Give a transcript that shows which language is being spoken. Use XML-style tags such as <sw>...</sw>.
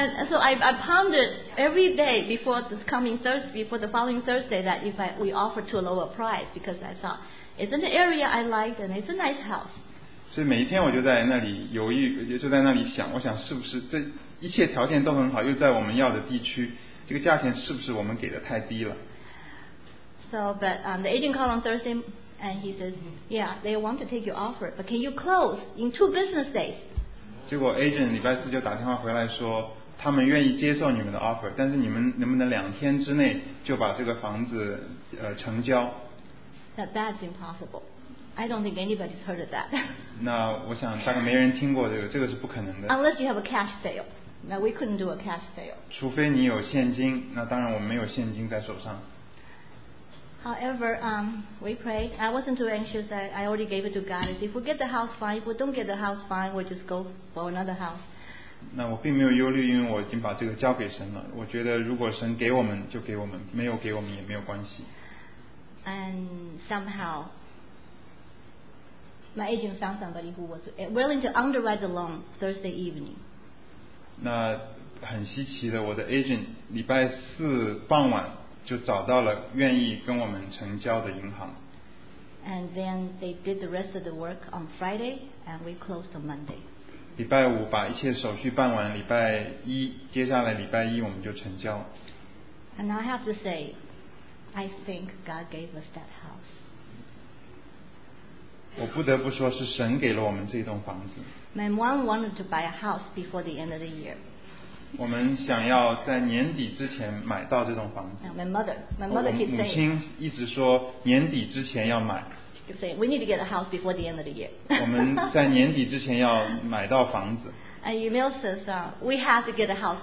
<en>So I pondered every day before this coming Thursday, before the following Thursday, that if we offer to a lower price, because I thought it's an area I like and it's a nice house.</en> <zh>所以每一天我就在那里犹豫，就在那里想，我想是不是这一切条件都很好，又在我们要的地区，这个价钱是不是我们给的太低了</zh> <en>？So, but the agent called on Thursday, and he says, "Yeah, they want to take your offer, but can you close in 2 business days?"</en> <zh>结果 agent 礼拜四就打电话回来说，他们愿意接受你们的 offer， 但是你们能不能2天之内就把这个房子成交</zh> <en>？That's impossible. I don't think anybody's heard of that.</en> <zh>那我想大概没人听过这个，这个是不可能的。</zh> <en>Unless you have a cash sale, now we couldn't do a cash sale.</en> <zh>除非你有现金，那当然我们没有现金在手上。</zh> <en>However, we prayed. I wasn't too anxious. I already gave it to God. If we get the house, fine. If we don't get the house, fine. We just go for another house.</en> <zh>那我并没有忧虑，因为我已经把这个交给神了。我觉得如果神给我们就给我们，没有给我们也没有关系。</zh> <en>And somehow. My agent found somebody who was willing to underwrite the loan Thursday evening.</en> <zh>那很稀奇的，我的 agent 礼拜四傍晚就找到了愿意跟我们成交的银行。</zh> <en>And then they did the rest of the work on Friday, and we closed on Monday.</en> <zh>礼拜五把一切手续办完，礼拜一接下来礼拜一我们就成交。</zh> <en>And I have to say, I think God gave us that house.</en> <zh>我不得不说是神给了我们这栋房子。</zh> <en>My mom wanted to buy a house before the end of the year.</en> <zh>我们想要在年底之前买到这栋房子。</zh> <en>Now, my mother keeps saying.</en> <zh>母亲一直说年底之前要买。</zh> <en>Keep saying we need to get a house before the end of the year.</en> <zh>我们在年底之前要买到房子。</zh> <en>And Emil says, we have to get a house.</en>